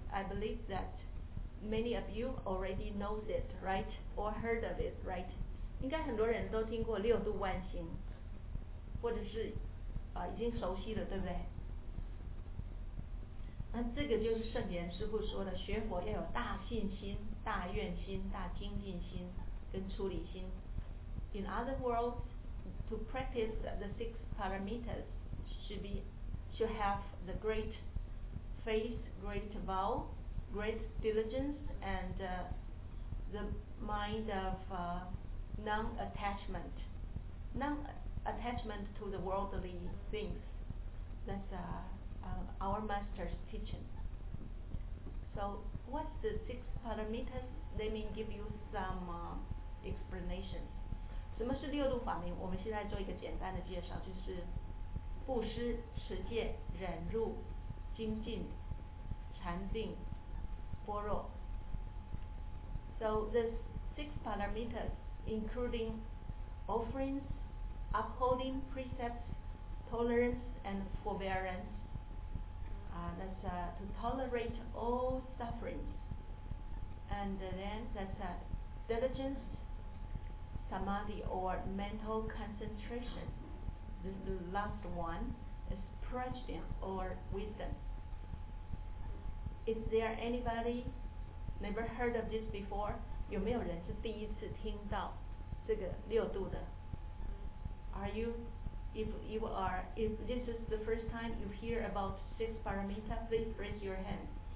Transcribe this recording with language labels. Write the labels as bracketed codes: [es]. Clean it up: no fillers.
[en] I believe that many of you already know it, right? Or heard of it, right? [zh] 应该很多人都听过六度万行，或者是已经熟悉了，对不对？那这个就是圣严师父说的，学佛要有大信心、大愿心、大精进心跟出离心。 [en] In other words, to practice the six paramitas should have the great faith, great vow, great diligence, and the mind of non-attachment. Non-attachment to the worldly things. That's our master's teaching. So what's the six paramitas? Let me give you some explanations. [zh] 什么是六度法门？我们现在做一个简单的介绍，就是布施、持戒、忍辱、精进、禅定、般若。 [en] So the six paramitas, including offerings, upholding precepts, tolerance and forbearance. That's to tolerate all sufferings. And then that's diligence. Samadhi or mental concentration. This is the last one is prajna or wisdom. Is there anybody never heard of this before? [zh] 有没有人是第一次听到这个六度的？ [en] Are you, if this is the first time you hear about six paramita, please raise your hand.